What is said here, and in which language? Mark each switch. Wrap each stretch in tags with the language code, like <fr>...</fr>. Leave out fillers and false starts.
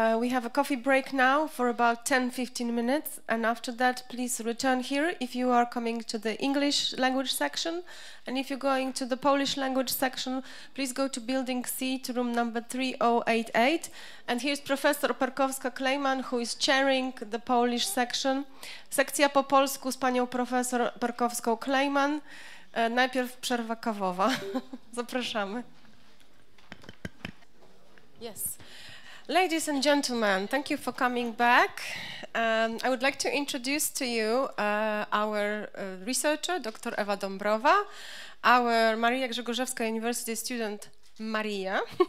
<en>We have a coffee break now for about 10-15 minutes, and after that please return here if you are coming to the English language section, and if you're going to the Polish language section, please go to building C to room number 3088. And here's Professor Perkowska-Klejman, who is chairing the Polish section.</en> <pl>Sekcja po polsku z panią profesor Perkowską-Klejman. Najpierw przerwa kawowa. Zapraszamy.</pl> <en>Yes. Ladies and gentlemen, thank you for coming back. I would like to introduce to you our researcher, Dr. Ewa Dąbrowa, our Maria Grzegorzewska University student, Maria.</en>